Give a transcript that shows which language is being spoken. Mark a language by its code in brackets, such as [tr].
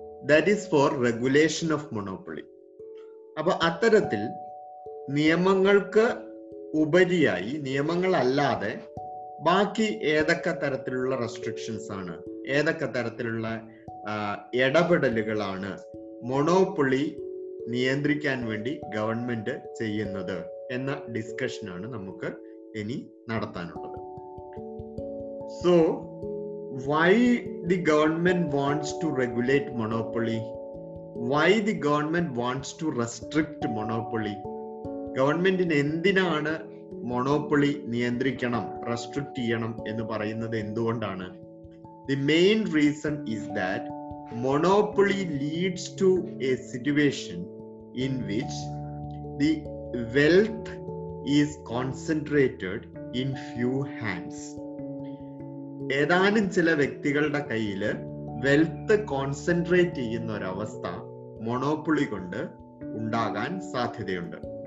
[en] That is for regulation of monopoly. [ml] അപ്പൊ അത്തരത്തിൽ നിയമങ്ങൾക്ക് ഉപരിയായി, നിയമങ്ങളല്ലാതെ ബാക്കി ഏതൊക്കെ തരത്തിലുള്ള റെസ്ട്രിക്ഷൻസ് ആണ്, ഏതൊക്കെ തരത്തിലുള്ള ഇടപെടലുകളാണ് മൊണോപ്പൊളി നിയന്ത്രിക്കാൻ വേണ്ടി ഗവൺമെന്റ് ചെയ്യുന്നത് എന്ന ഡിസ്കഷനാണ് നമുക്ക് ഇനി നടത്താനുള്ളത്. [en] So why the government wants to regulate monopoly? Why the government wants to restrict monopoly? [ml] ഗവൺമെന്റിന് എന്തിനാണ് മൊണോപ്പൊളി നിയന്ത്രിക്കണം, റെസ്ട്രിക്ട് ചെയ്യണം എന്ന് പറയുന്നത് എന്തുകൊണ്ടാണ്? [en] The main reason is that monopoly leads to a situation in which the wealth is concentrated in few hands. [ml] ഏതാനും ചില വ്യക്തികളുടെ കയ്യിൽ വെൽത്ത് കോൺസെൻട്രേറ്റ് ചെയ്യുന്ന ഒരവസ്ഥ മൊണോപ്പൊളി കൊണ്ട് ഉണ്ടാകാൻ സാധ്യതയുണ്ട്.